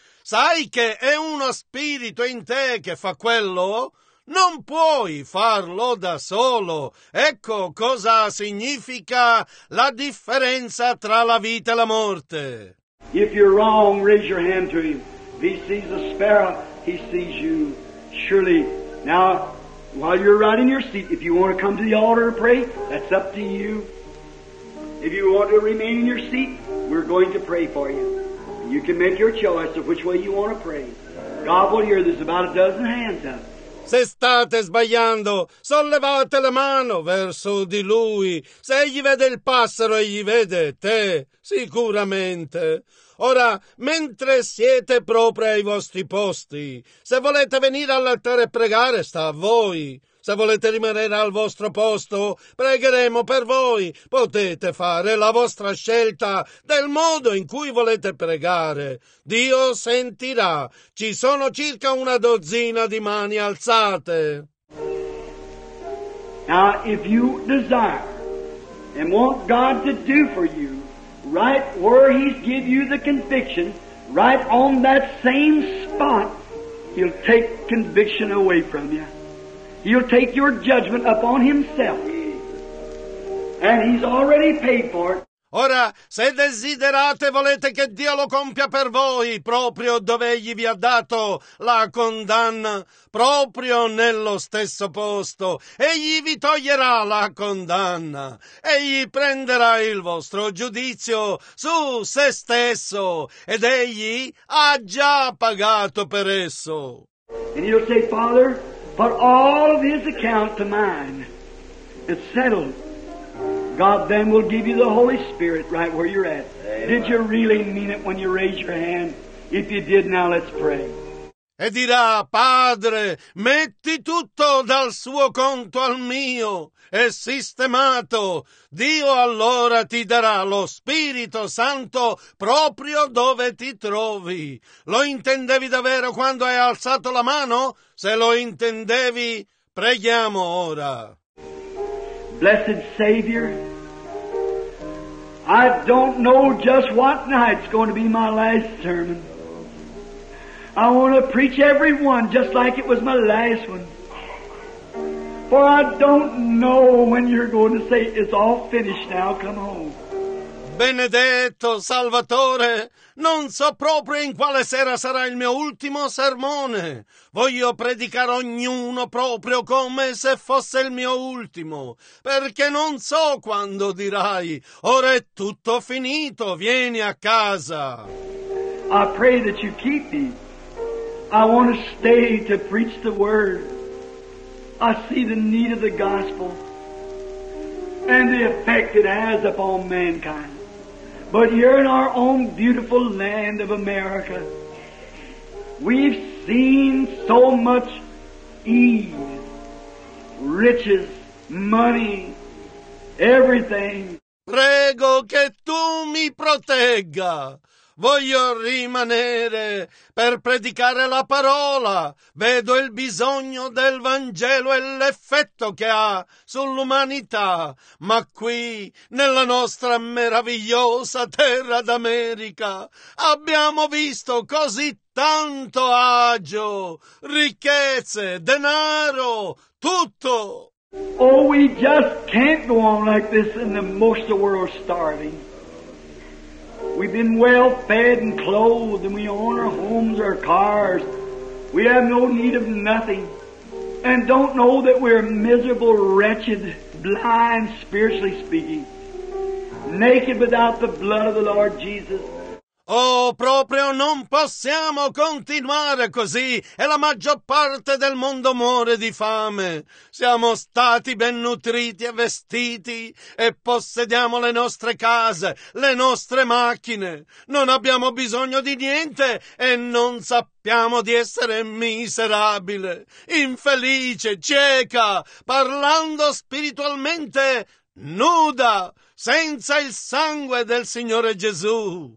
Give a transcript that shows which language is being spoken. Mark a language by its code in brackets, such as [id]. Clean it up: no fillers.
[it] Sai che è uno spirito in te che fa quello? Non puoi farlo da solo. Ecco cosa significa la differenza tra la vita e la morte. [en] If you're wrong, raise your hand to him. If he sees a sparrow, he sees you. Surely, now, while you're right in your seat, if you want to come to the altar and pray, that's up to you. If you want to remain in your seat, we're going to pray for you. You can make your choice of which way you want to pray. God will hear. There's about a dozen hands up. [it] Se state sbagliando, sollevate la mano verso di lui. Se egli vede il passero, egli vede te, sicuramente. Ora, mentre siete proprio ai vostri posti, se volete venire all'altare e pregare, sta a voi. Se volete rimanere al vostro posto, pregheremo per voi. Potete fare la vostra scelta del modo in cui volete pregare. Dio sentirà. Ci sono circa una dozzina di mani alzate. [en] Now, if you desire and want God to do for you, right where He's give you the conviction, right on that same spot, He'll take conviction away from you. He'll take your judgment upon himself, and he's already paid for it. [it] Ora, se desiderate, volete che Dio lo compia per voi, proprio dove egli vi ha dato la condanna, proprio nello stesso posto, egli vi toglierà la condanna, egli prenderà il vostro giudizio su se stesso, ed egli ha già pagato per esso. [en] And you'll say, Father, put all of his account to mine. It's settled. God then will give you the Holy Spirit right where you're at. Amen. Did you really mean it when you raised your hand? If you did, now let's pray. [it] E dirà: Padre, metti tutto dal suo conto al mio. È sistemato. Dio allora ti darà lo Spirito Santo proprio dove ti trovi. Lo intendevi davvero quando hai alzato la mano? Se lo intendevi, preghiamo ora. [en] Blessed Savior, I don't know just what night's going to be my last sermon. I want to preach every one just like it was my last one. For I don't know when you're going to say, it's all finished now, come home. [it] Benedetto Salvatore, non so proprio in quale sera sarà il mio ultimo sermone. Voglio predicare ognuno proprio come se fosse il mio ultimo, perché non so quando dirai, ora è tutto finito, vieni a casa. [en] I pray that you keep me. I want to stay to preach the word. I see the need of the gospel and the effect it has upon mankind. But here in our own beautiful land of America, we've seen so much ease, riches, money, everything. [it] Prego che tu mi protegga. Voglio rimanere per predicare la parola. Vedo il bisogno del Vangelo e l'effetto che ha sull'umanità. Ma qui, nella nostra meravigliosa terra d'America, abbiamo visto così tanto agio, ricchezze, denaro, tutto. [en] Oh, we just can't go on like this in the most of the world starving. We've been well fed and clothed, and we own our homes, our cars. We have no need of nothing. And don't know that we're miserable, wretched, blind, spiritually speaking. Naked without the blood of the Lord Jesus. [it] Oh, proprio non possiamo continuare così, e la maggior parte del mondo muore di fame. Siamo stati ben nutriti e vestiti, e possediamo le nostre case, le nostre macchine. Non abbiamo bisogno di niente e non sappiamo di essere miserabile, infelice, cieca, parlando spiritualmente nuda, senza il sangue del Signore Gesù.